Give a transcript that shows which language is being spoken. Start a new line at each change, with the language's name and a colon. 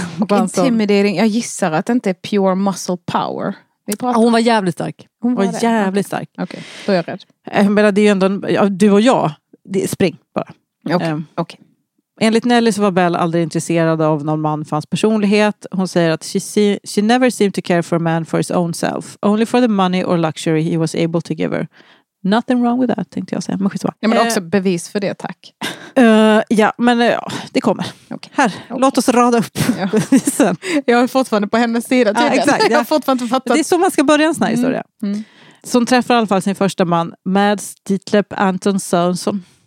Swedish: Intimidering, jag gissar att det inte är
English: pure muscle power.
Swedish: Ah, hon var jävligt stark. Hon var jävligt stark. Okej, okay. Då är jag rädd. Men det är ju ändå, du och jag, det är spring bara. Okej. Okay. Enligt Nelly så var Belle aldrig intresserad av någon man för hans personlighet. Hon säger att
English: she never seemed to care for a man for his own self. Only for the money or luxury he was able to give her. Nothing wrong with that,
Swedish: tänkte jag säga. Men skitsvar. Ja, men också bevis för det, tack. Ja, men det kommer. Okay. Här, okay. Låt oss rada upp bevisen. Ja. Jag är fortfarande på hennes sida. Ja, exakt. Jag har fortfarande författat. Det är så man ska börja en sån här historia. Mm. Mm. Som träffar i alla fall sin första man, Mads Dietlep Anton Sørensen.